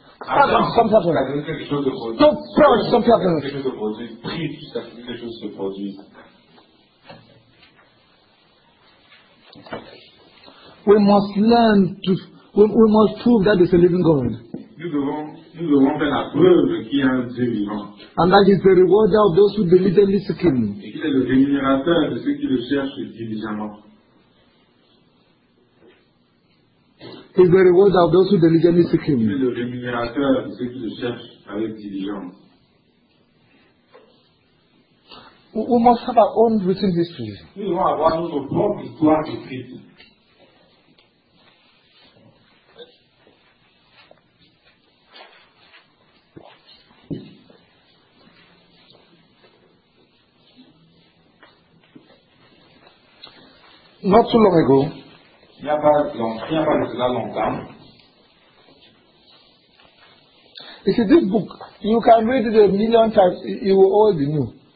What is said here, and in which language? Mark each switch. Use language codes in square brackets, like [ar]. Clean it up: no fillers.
[en] We must learn to, we must prove that there is a living God. [fr] Nous devons faire la preuve qu'il y a un Dieu vivant. [en] And that is the rewarder of those who diligently seek Him. [fr] Et qu'il est le rémunérateur de ceux qui le cherchent diligemment. [en] He is the rewarder of those who diligently seek Him. [fr] Il est le rémunérateur de ceux qui le cherchent avec diligence. [en] We must have our own written history. Not too long ago, you see, this book, you can read it a million times, it will always be new.